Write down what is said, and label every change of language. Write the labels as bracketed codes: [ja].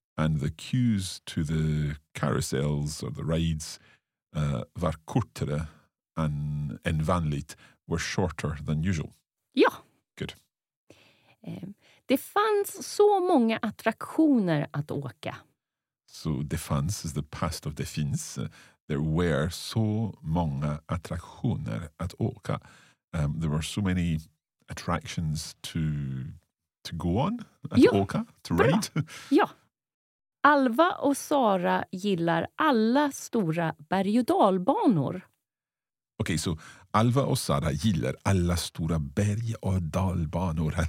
[en] And the queues to the carousels or the rides var kortare än vanligt, were shorter than usual. [sv] Ja. [en] Good. [sv] Det fanns så många attraktioner att åka. [en] So det fanns is the past of det finns. There were so många attraktioner att åka. There were so many attractions to go on, att [sv] ja, [en] åka, to ride. [sv] Ja. Alva och Sara gillar alla stora berg- och dalbanor. Okay, so Alva och Sara gillar alla stora berg- och dalbanor.